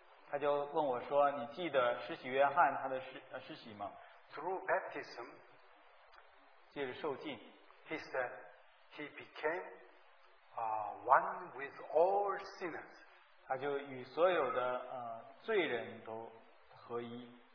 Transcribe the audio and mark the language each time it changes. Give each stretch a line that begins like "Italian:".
Chinese: 他就问我说，你记得施洗约翰他的施洗吗？
English: Through baptism,
Chinese: 借着受浸,
English: he said, he became one with all sinners.
Chinese: 他就与所有的罪人都合一。